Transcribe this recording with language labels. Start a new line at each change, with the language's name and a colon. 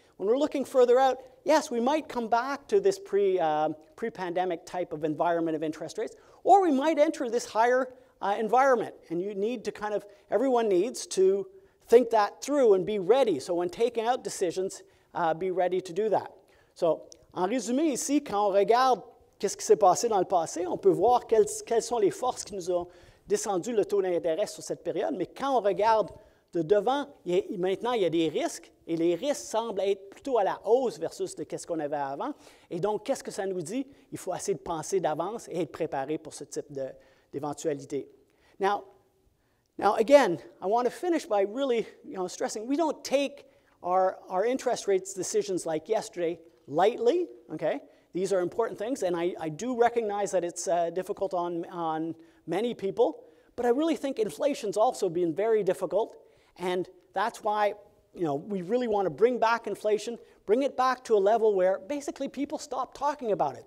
English: When we're looking further out, yes, we might come back to this pre-pandemic type of environment of interest rates, or we might enter this higher environment. And you need to kind of, everyone needs to think that through and be ready. So when taking out decisions, be ready to do that.
French: So en résumé ici, quand on regarde qu'est-ce qui s'est passé dans le passé, on peut voir quelles sont les forces qui nous ont descendu le taux d'intérêt sur cette période. Mais quand on regarde de devant, maintenant, il y a des risques, et les risques semblent être plutôt à la hausse versus de ce qu'on avait avant. Et donc, qu'est-ce que ça nous dit? Il faut essayer de penser d'avance et être préparé pour ce type d'éventualité.
English: Now, again, I want to finish by really, you know, stressing, we don't take our interest rates decisions like yesterday lightly, okay? These are important things, and I do recognize that it's difficult on many people, but I really think inflation's also been very difficult, and that's why, you know, we really want to bring back inflation, bring it back to a level where basically people stop talking about it.